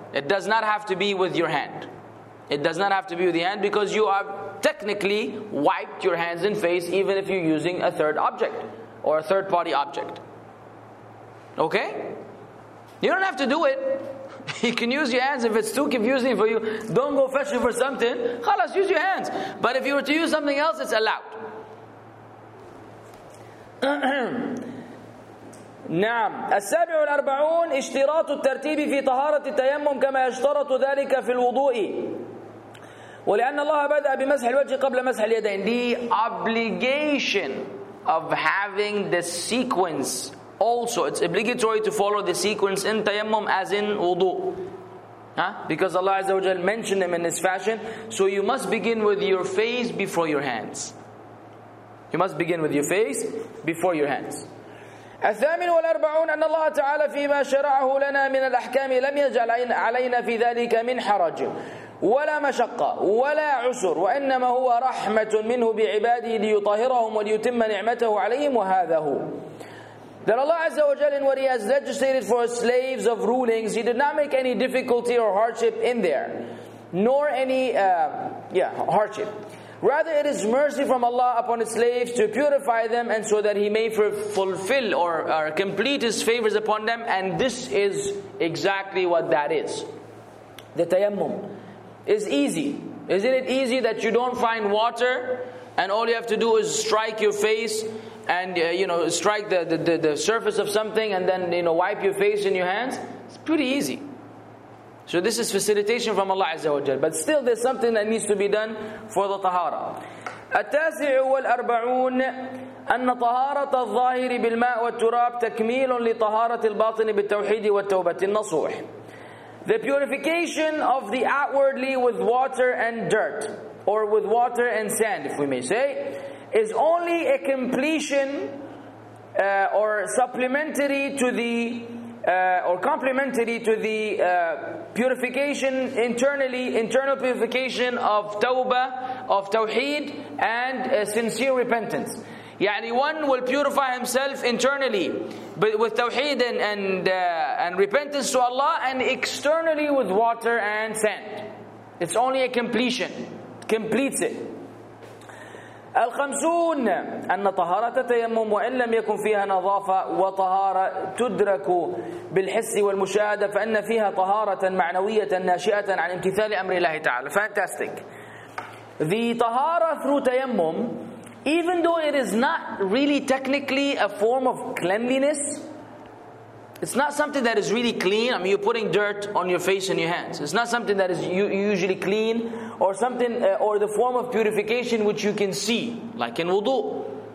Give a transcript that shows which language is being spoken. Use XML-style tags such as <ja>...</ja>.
<en>It does not have to be with your hand. It does not have to be with the hand because you have technically wiped your hands and face even if you're using a third object or a third party object. Okay? You don't have to do it. You can use your hands. If it's too confusing for you, don't go fetch it for something. Khalas, use your hands. But if you were to use something else, it's allowed.</en> <ar>نعم. السابع والأربعون اشتراط الترتيب في طهارة التيمم كما يشترط ذلك في الوضوء. ولأن الله بدأ بمسح الوجه قبل مسح اليدين.</ar> <en>The obligation of having the sequence. Also, it's obligatory to follow the sequence in tayammum as in wudu. Huh? Because Allah Azza wa Jal mentioned them in this fashion. So you must begin with your face before your hands. You must begin with your face before your hands.</en> <ar>الثامن والأربعون أن الله تعالى فيما شرعه لنا من الأحكام لم يجعل علينا في ذلك من حرج ولا مشقة ولا عسر وإنما هو رحمة منه بعباده ليطهرهم وليتم نعمته عليهم وهذا هو.</ar> <en>That Allah Azza wa Jalla, in what He has legislated for slaves of rulings, He did not make any difficulty or hardship in there, nor any hardship. Rather, it is mercy from Allah upon His slaves to purify them, and so that He may fulfill or complete His favors upon them. And this is exactly what that is. The tayammum is easy. Isn't it easy that you don't find water, and all you have to do is strike your face? And strike the surface of something, and then wipe your face and your hands. It's pretty easy. So this is facilitation from Allah Azza wa Jal. But still, there's something that needs to be done for the tahara.</en> <ar>التاسع والأربعون أن طهارة الظاهر بالماء والتراب تكميل لطهارة الباطن بالتوحيد والتوبة النصوح.</ar> <en>The purification of the outwardly with water and dirt, or with water and sand, if we may say, is only a completion or supplementary to the or complementary to the purification internally, internal purification of tawbah, of tawheed, and sincere repentance. Yani one will purify himself internally with tawheed and repentance to Allah, and externally with water and sand. It's only a completion, completes it.</en> <ar>الخمسون أن طهارة تيمم وإن لم يكن فيها نظافة وطهارة تدرك بالحس والمشاهدة فإن فيها طهارة معنوية ناشئة عن امتثال أمر الله تعالى.</ar> <en>Fantastic. The طهارة through تيمم, even though it is not really technically a form of cleanliness, it's not something that is really clean. I mean, you're putting dirt on your face and your hands. It's not something that is usually clean or something or the form of purification which you can see, like in wudu.</en>